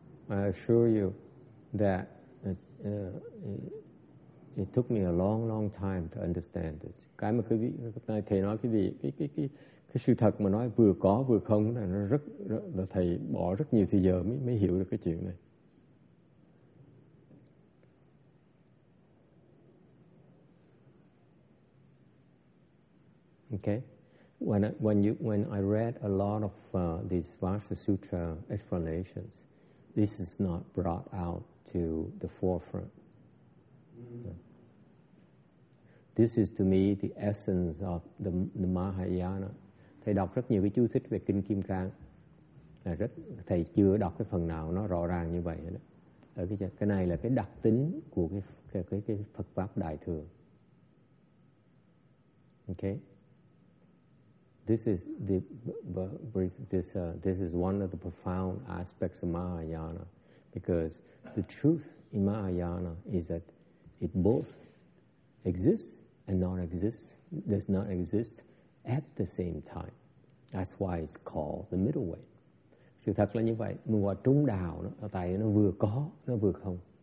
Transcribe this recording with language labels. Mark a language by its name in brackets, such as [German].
[English] I assure you that it took me a long, long time to understand this. [Vietnamese] Cái mà quý vị, thầy nói quý vị, cái sự thật mà nói vừa có vừa không là nó rất, là thầy bỏ rất nhiều thời giờ mới hiểu được cái chuyện này. [English] Okay, when I read a lot of these Vajra Sutra explanations, this is not brought out to the forefront. This is to me the essence of the Mahayana. [Vietnamese] Thầy đọc rất nhiều cái chú thích về kinh Kim Cang, rất thầy chưa đọc cái phần nào nó rõ ràng như vậy đó. Ở cái này là cái đặc tính của cái Phật pháp đại thừa. [English] Okay. This is this is one of the profound aspects of Mahayana, because the truth in Mahayana is that it both exists and not exists, does not exist at the same time. That's why it's called the middle way. [Vietnamese] Sự thật là như vậy, mình gọi trung đạo, tại nó vừa có, nó vừa không.